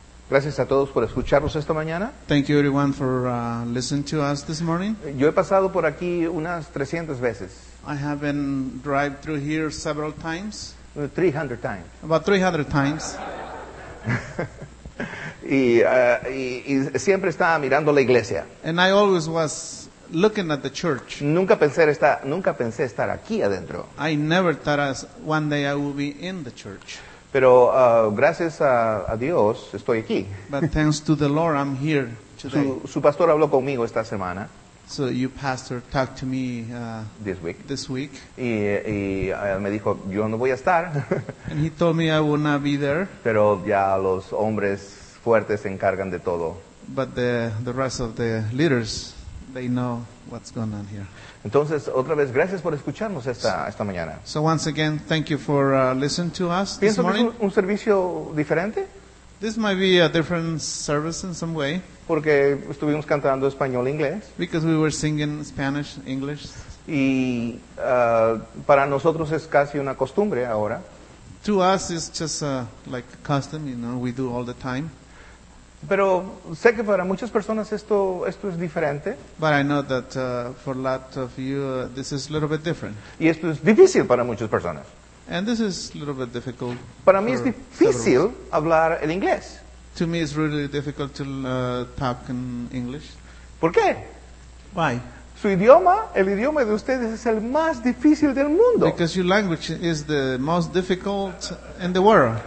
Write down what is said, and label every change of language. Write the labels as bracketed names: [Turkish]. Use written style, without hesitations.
[Spanish] Gracias a todos por escucharnos esta mañana. [English] Thank you everyone for listening to us this morning. [Spanish] Yo he pasado por aquí unas 300 veces. [English] I have been drive through here several times. 300 times. About 300 times. [Spanish] y siempre estaba mirando la iglesia. [English] And I always was looking at the church. [Spanish] Nunca pensé estar aquí adentro. [English] I never thought as one day I would be in the church. [Spanish] Pero gracias a Dios estoy aquí. [English] But thanks to the Lord, I'm here today. [Spanish] Su pastor habló conmigo esta semana. [English] So your pastor talked to me this week. This week. [Spanish] Y me dijo, yo no voy a estar. [English] And he told me I will not be there. [Spanish] Pero ya los hombres fuertes se encargan de todo. [English] But the rest of the leaders, they know what's going on here. [Spanish] Entonces, otra vez, gracias por escucharnos esta mañana. [English] So once again, thank you for listening to us this morning. [Spanish] ¿Piensas un servicio diferente? [English] This might be a different service in some way. [Spanish] Porque estuvimos cantando español e inglés. [English] Because we were singing Spanish, English. [Spanish] Y para nosotros es casi una costumbre ahora. [English] To us it's just like a custom, you know, we do all the time. [Spanish] Pero sé que para muchas personas esto es diferente. [English] But I know that for a lot of you this is a little bit different. [Spanish] Y esto es difícil para muchas personas. [English] And this is a little bit difficult. [Spanish] Para mí es difícil hablar el inglés. [English] To me it's really difficult to talk in English. [Spanish] ¿Por qué? [English] Why? [Spanish] Su idioma, el idioma de ustedes es el más difícil del mundo. [English] Because your language is the most difficult in the world.